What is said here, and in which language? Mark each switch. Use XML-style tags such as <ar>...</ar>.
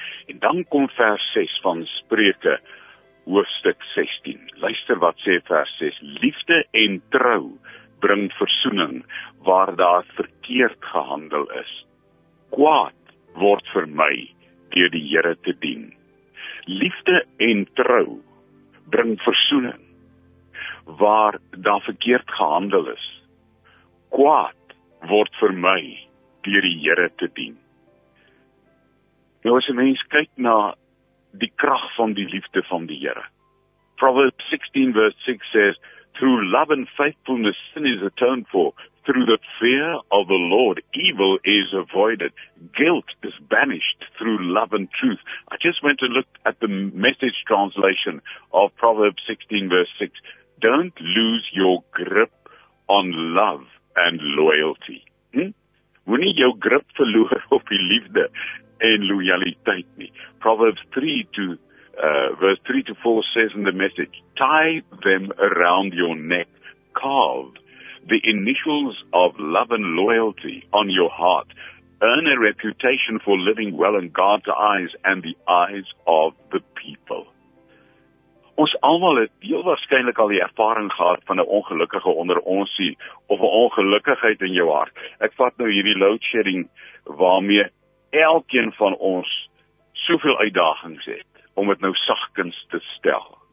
<af>En dan kom vers 6 van Spreuke, hoofstuk 16. Luister wat sê vers 6, liefde en trou bring versoening waar daar verkeerd gehandel is. Kwaad word vermy deur die Here te dien. Liefde en trou bring versoening waar daar verkeerd gehandel is. Kwaad word vermy deur die Here te dien. Nou as 'n mens kyk na die krag van die liefde van die Here.</af> <en>Proverbs 16 verse 6 says, through love and faithfulness sin is atoned for. Through the fear of the Lord, evil is avoided. Guilt is banished through love and truth. I just went to look at the Message translation of Proverbs 16, verse 6. Don't lose your grip on love and loyalty. Moenie jou grip verloor op die liefde en loyaliteit nie. Proverbs 3 to verse 3 to 4 says in the Message, tie them around your neck, carved the initials of love and loyalty on your heart. Earn a reputation for living well in God's eyes and the eyes of the people.</en> <af>Ons almal het heel waarskynlik al die ervaring gehad van 'n ongelukkige onder ons sien, of 'n ongelukkigheid in jou hart. Ek vat nou hierdie load shedding waarmee elkeen van ons soveel uitdagings het, om het nou sagkens te stel.</af>